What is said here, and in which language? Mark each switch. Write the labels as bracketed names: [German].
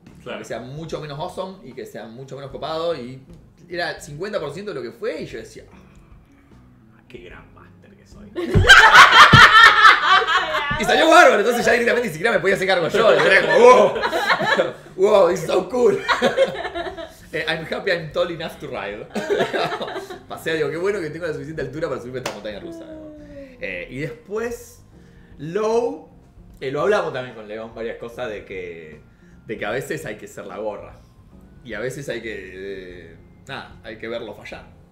[Spanish] Claro. Que sea mucho menos awesome y que sea mucho menos copado. Y era 50% de lo que fue y yo decía, qué gran master que soy. Y salió bárbaro, entonces ya directamente ni siquiera me podía hacer cargo yo. Y era como, [English] wow, this is so cool. I'm happy I'm tall enough to ride. [Spanish] Pasé, digo, qué bueno que tengo la suficiente altura para subirme esta montaña rusa. Y después, low, lo hablamos también con León varias cosas de que a veces hay que ser la gorra. Y a veces hay que. Hay que verlo fallar.